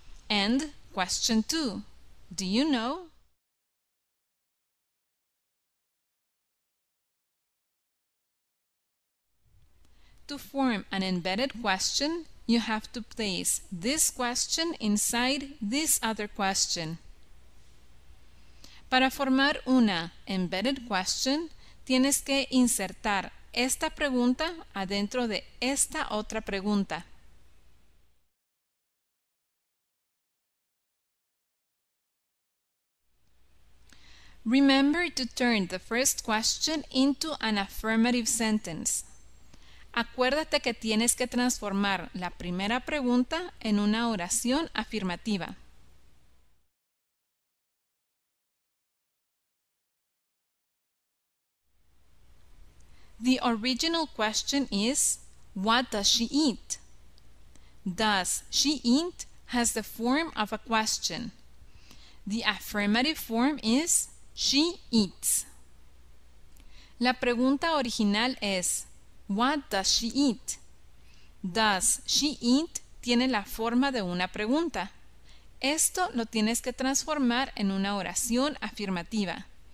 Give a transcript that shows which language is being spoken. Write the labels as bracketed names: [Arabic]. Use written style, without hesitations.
[English] And question 2, do you know? To form an embedded question, you have to place this question inside this other question. [Spanish] Para formar una embedded question, tienes que insertar esta pregunta adentro de esta otra pregunta. [English] Remember to turn the first question into an affirmative sentence. [Spanish] Acuérdate que tienes que transformar la primera pregunta en una oración afirmativa. [English] The original question is, what does she eat? Does she eat has the form of a question. The affirmative form is, she eats. [Spanish] La pregunta original es, [English] what does she eat? Does she eat [Spanish] tiene la forma de una pregunta. Esto lo tienes que transformar en una oración afirmativa.